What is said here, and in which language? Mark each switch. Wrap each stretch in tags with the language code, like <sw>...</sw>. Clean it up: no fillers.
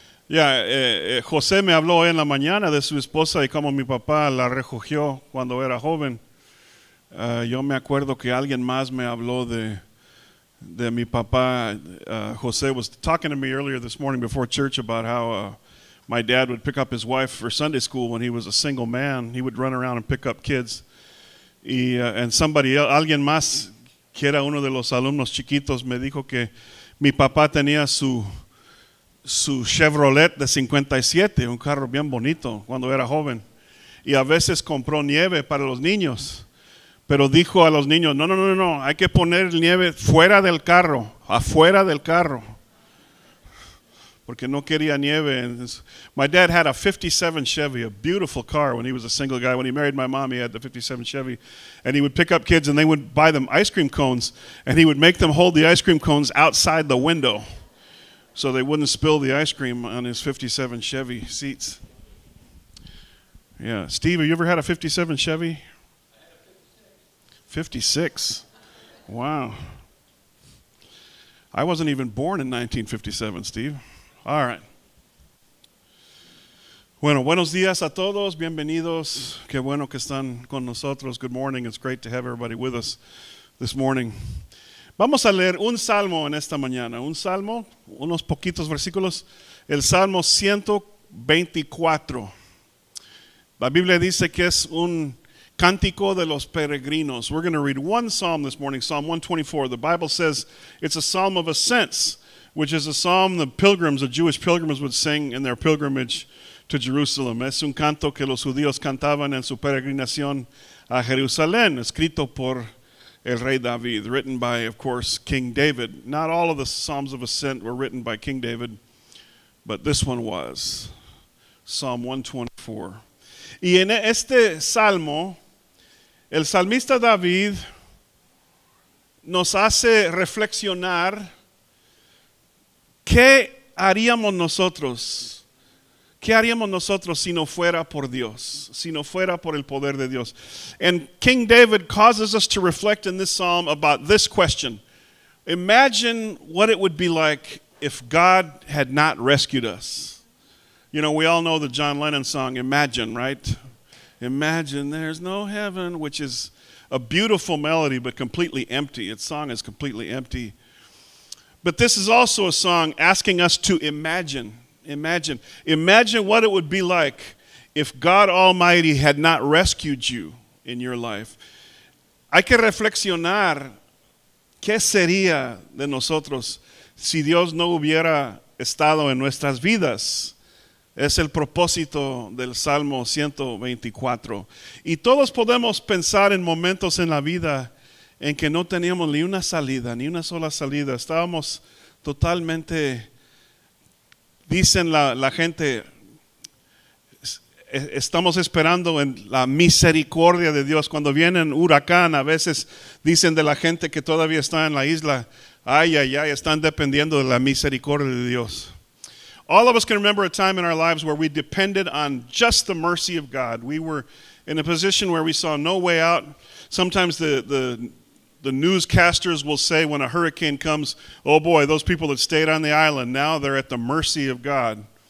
<es>José me habló hoy en la mañana de su esposa y cómo mi papá la recogió cuando era joven. Yo me acuerdo que alguien más me habló de mi papá.</es> <en>José was talking to me earlier this morning before church about how my dad would pick up his wife for Sunday school when he was a single man. He would run around and pick up kids.</en> <es>Alguien más, que era uno de los alumnos chiquitos, me dijo que mi papá tenía su Chevrolet de 57, un carro bien bonito cuando era joven. Y a veces compró nieve para los niños. Pero dijo a los niños, no, hay que poner nieve fuera del carro, afuera del carro. Porque no quería nieve.</es> <en>My dad had a 57 Chevy, a beautiful car when he was a single guy. When he married my mom, he had the 57 Chevy. And he would pick up kids and they would buy them ice cream cones. And he would make them hold the ice cream cones outside the window so they wouldn't spill the ice cream on his 57 Chevy seats. Yeah, Steve, have you ever had a 57 Chevy? 56. Wow. I wasn't even born in 1957, Steve. All right.</en> <es>Bueno, buenos días a todos. Bienvenidos. Qué bueno que están con nosotros.</es> <en>Good morning. It's great to have everybody with us this morning.</en> <es>Vamos a leer un salmo en esta mañana. Un salmo, unos poquitos versículos. El Salmo 124. La Biblia dice que es un Cántico de los Peregrinos.</es> <en>We're going to read one psalm this morning, Psalm 124. The Bible says it's a psalm of ascents, which is a psalm the pilgrims, the Jewish pilgrims, would sing in their pilgrimage to Jerusalem.</en> <es>Es un canto que los judíos cantaban en su peregrinación a Jerusalén, escrito por el rey David,</es> <en>written by, of course, King David. Not all of the psalms of ascent were written by King David, but this one was, Psalm 124.</en> <es>Y en este salmo, el salmista David nos hace reflexionar qué haríamos nosotros si no fuera por Dios, si no fuera por el poder de Dios.</es> <en>And King David causes us to reflect in this psalm about this question. Imagine what it would be like if God had not rescued us. You know, we all know the John Lennon song, Imagine, right? Imagine there's no heaven, which is a beautiful melody, but completely empty. Its song is completely empty. But this is also a song asking us to imagine what it would be like if God Almighty had not rescued you in your life.</en> <es>Hay que reflexionar qué sería de nosotros si Dios no hubiera estado en nuestras vidas. Es el propósito del Salmo 124. Y todos podemos pensar en momentos en la vida en que no teníamos ni una salida, ni una sola salida. Estábamos totalmente, dicen la gente, estamos esperando en la misericordia de Dios. Cuando viene un huracán, a veces dicen de la gente que todavía está en la isla, ay, ay, ay, están dependiendo de la misericordia de Dios.</es> <en>All of us can remember a time in our lives where we depended on just the mercy of God. We were in a position where we saw no way out. Sometimes the newscasters will say when a hurricane comes, oh boy, those people that stayed on the island, now they're at the mercy of God.</en>